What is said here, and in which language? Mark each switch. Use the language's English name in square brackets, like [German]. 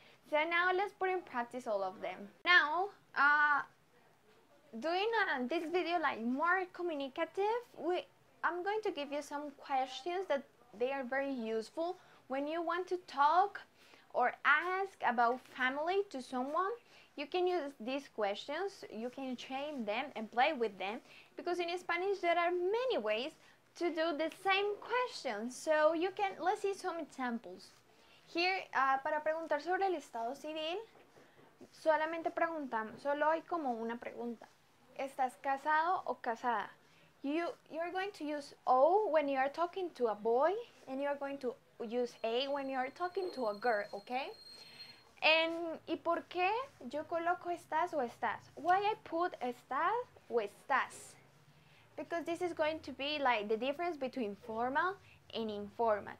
[English] So now let's put in practice all of them. Now, doing this video like more communicative, I'm going to give you some questions that they are very useful when you want to talk or ask about family to someone. You can use these questions, you can train them and play with them, because in Spanish there are many ways to do the same questions. So you can, let's see some examples. [Spanish] Here, para preguntar sobre el estado civil, solamente preguntamos, solo hay como una pregunta. ¿Estás casado o casada? [English] You're going to use O when you are talking to a boy, and you are going to use A when you are talking to a girl, okay? [Spanish] And, ¿y por qué yo coloco estás o estás? [English] Why I put [Spanish] estás o estás? [English] Because this is going to be like the difference between formal and informal.